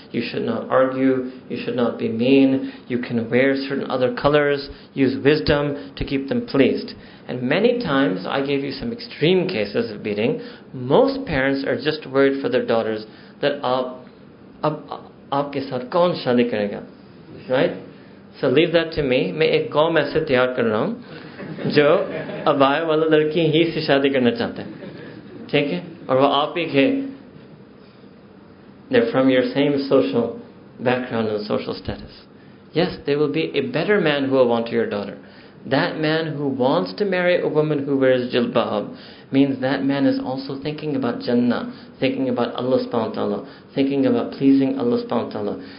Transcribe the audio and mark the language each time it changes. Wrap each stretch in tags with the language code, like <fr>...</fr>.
<en>You should not argue. You should not be mean. You can wear certain other colors. Use wisdom to keep them pleased. And many times, I gave you some extreme cases of beating. Most parents are just worried for their daughters that</en> <ur>aap ke saath kaun shaadi karega?</ur> <en>Right? So leave that to me.</en> <ur>میں ایک قوم ایسے تیار کر رہا ہوں جو عبایے والا لڑکی ہی سے شادی کرنا چاہتے ہیں. ٹھیک ہے?</ur> <en>Or they're from your same social background and social status. Yes, there will be a better man who will want to your daughter. That man who wants to marry a woman who wears jilbab means that man is also thinking about Jannah, thinking about Allah subhanahu wa ta'ala, thinking about pleasing Allah subhanahu wa ta'ala.</en>